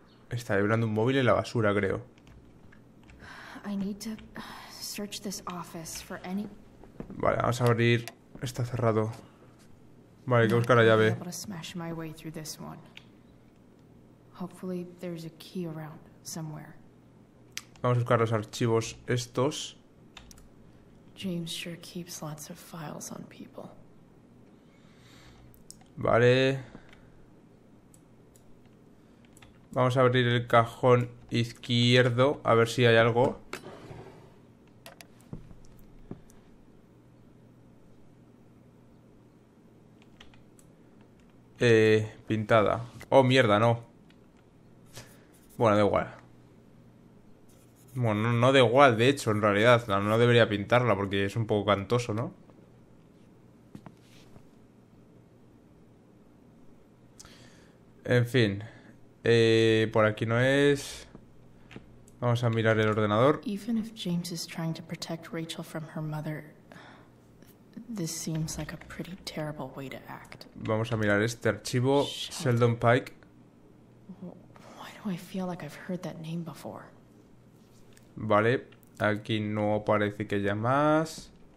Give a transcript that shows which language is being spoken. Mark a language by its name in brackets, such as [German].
[Spanish] Está vibrando un móvil en la basura, creo. [English] Search this office for any... [Spanish] Vale, vamos a abrir. Está cerrado. Vale, hay que buscar la llave. [English] I'll be able to smash my way through this one. Hopefully there's a key around somewhere. [Spanish] Vamos a buscar los archivos estos. [English] James sure keeps lots of files on people. [Spanish] Vale. Vamos a abrir el cajón izquierdo a ver si hay algo. Pintada. Oh, mierda, no. Bueno, da igual. Bueno, no da igual, de hecho, en realidad. No debería pintarla porque es un poco cantoso, ¿no? En fin. Por aquí no es. Vamos a mirar el ordenador. [English] Even if James is trying to protect Rachel from her mother, this seems like a pretty terrible way to act. [Spanish] Vamos a mirar este archivo. [English] Shit. Sheldon Pike. Why do I feel like I've heard that name before? [Spanish] Vale, aquí no parece que haya más.